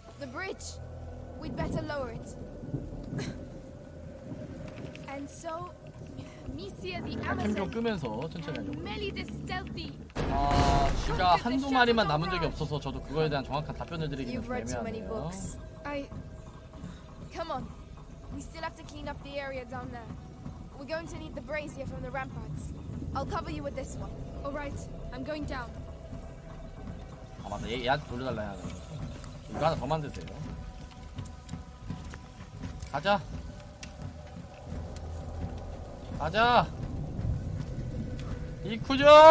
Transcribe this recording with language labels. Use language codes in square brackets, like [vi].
[en] The bridge. We'd better lower it. And so. [ko] 한편좀 끄면서 천천히 하려고. 아 진짜 한두 마리만 남은 적이 없어서 저도 그거에 대한 정확한 답변을 드리기는 애매하네요. [en] Come on. We still have to clean up the area down there. We're going to need the brazier from the ramparts. I'll cover you with this one. All right. I'm going down. [ko] 아 맞다. 얘한테 돌려달라 해야 돼. 이거 하나 더 만드세요. 가자. 가자. 이쿠죠.